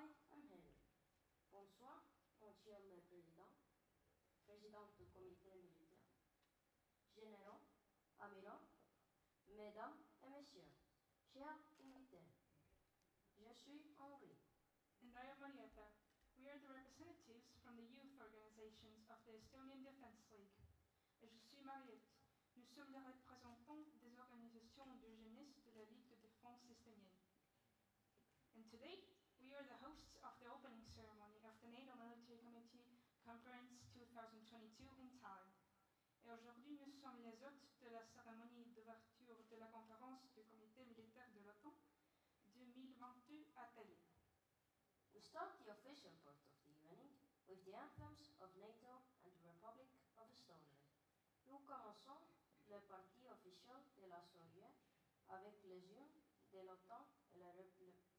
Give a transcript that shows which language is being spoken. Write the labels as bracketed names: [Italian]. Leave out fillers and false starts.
[French] Monsieur le Président, Président du Comité Militaire, Généraux, Amiraux, Mesdames et Messieurs, chers invités, je suis Henri. [English] And I am Marietta. We are the representatives from the youth organizations of the Estonian Defense League. [French] Et je suis Mariette. Nous sommes les représentants des organisations de jeunesse de la Ligue de Défense Estonienne. [English] And today, we are the hosts of the opening ceremony of the NATO Military Committee Conference 2022 in Tallinn. [French] Et aujourd'hui, nous sommes les hôtes de la cérémonie d'ouverture de la conférence du Comité Militaire de l'OTAN 2022 à Tallinn. [English] We start the official part of the evening with the anthems of NATO and the Republic of Estonia. [French] Nous commençons la partie officielle de la soirée avec les hymnes de l'OTAN et la République.